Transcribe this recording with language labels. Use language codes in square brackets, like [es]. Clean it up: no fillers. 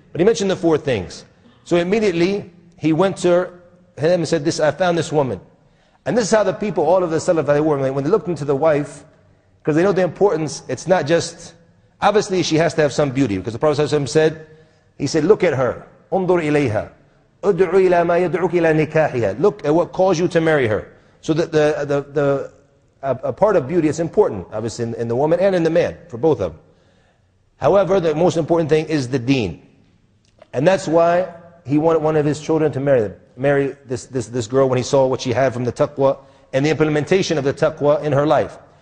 [en] But he mentioned the four things. So immediately, he went to her and said, "This, I found this woman." And this is how the people, all of the Salaf that they were, when they looked into the wife, because they know the importance, it's not just, obviously she has to have some beauty, because the Prophet ﷺ said, he said, look at her. [ar] انظر إليها. ادعو إلى ما يدعوك إلى نكاحها. [en] Look at what caused you to marry her. So the part of beauty is important, obviously, in the woman and in the man, for both of them. However, the most important thing is the deen. And that's why he wanted one of his children to marry them. Marry this girl when he saw what she had from the taqwa and the implementation of the taqwa in her life.